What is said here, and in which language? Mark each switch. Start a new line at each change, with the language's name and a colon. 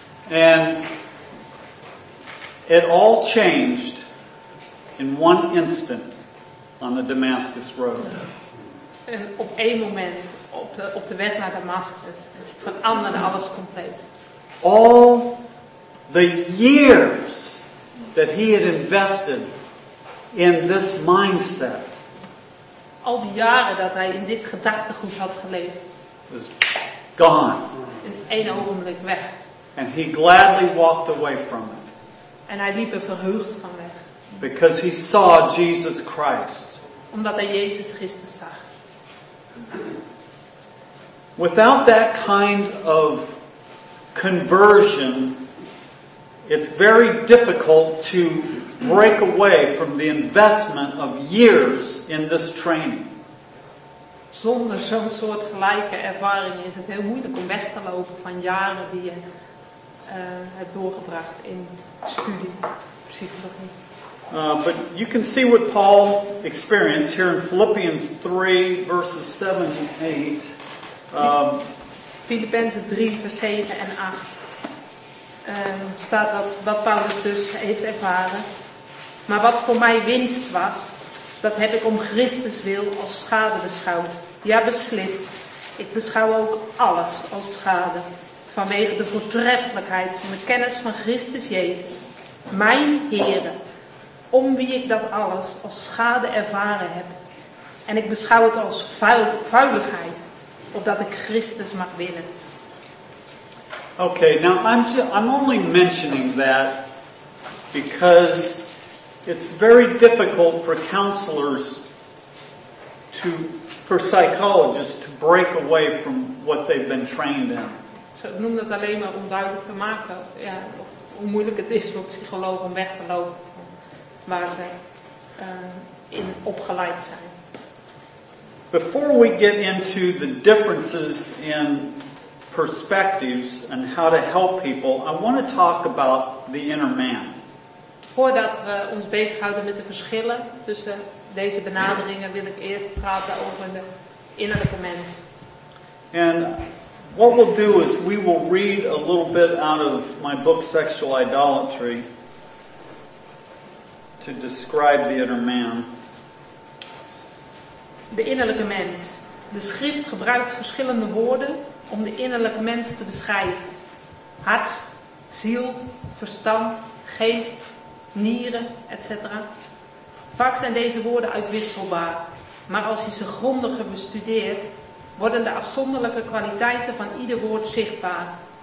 English: And it all changed in one instant on the Damascus Road.
Dutch: En op één moment, op de weg naar Damascus, veranderde alles compleet.
English: All the years that he had invested in this mindset.
Dutch: Al die jaren dat hij in dit gedachtegoed had geleefd.
English: Was gone.
Dutch: In één ogenblik weg.
English: And he gladly walked away from it.
Dutch: En hij liep er verheugd van weg.
English: Because he saw Jesus Christ.
Dutch: Omdat hij Jezus Christus zag.
English: Without that kind of conversion, it's very difficult to break away from the investment of years in this training.
Dutch: Zonder zo'n soort gelijke ervaring is het heel moeilijk om weg te lopen van jaren die je hebt doorgebracht in studie psychologie.
English: But you can see what Paul experienced here in Philippians 3 verses 7 and 8.
Dutch: Filippenzen 3 vers 7 en 8. Staat wat Paulus dus heeft ervaren. Maar wat voor mij winst was, dat heb ik om Christus wil als schade beschouwd. Ja, beslist. Ik beschouw ook alles als schade. Vanwege de voortreffelijkheid van de kennis van Christus Jezus. Mijn Heere. Om wie ik dat alles als schade ervaren heb. En ik beschouw het als vuiligheid. Opdat ik Christus mag winnen.
English: Okay, now I'm only mentioning that because it's very difficult for counselors for psychologists to break away from what they've been trained in.
Dutch: So, ik noem dat alleen maar om duidelijk te maken, ja, hoe moeilijk het is voor psychologen om weg te lopen van waar ze in opgeleid zijn.
English: Before we get into the differences in perspectives and how to help people, I want to talk about the inner man.
Dutch: Voordat we ons bezighouden met de verschillen tussen deze benaderingen, wil ik eerst praten over de innerlijke mens.
English: And what we'll do is we will read a little bit out of my book Sexual Idolatry to describe the inner man.
Dutch: De innerlijke mens. De schrift gebruikt verschillende woorden om de innerlijke mens te beschrijven. Hart, ziel, verstand, geest, nieren, etc. Vaak zijn deze woorden uitwisselbaar. Maar als je ze grondiger bestudeert, worden de afzonderlijke kwaliteiten van ieder woord zichtbaar.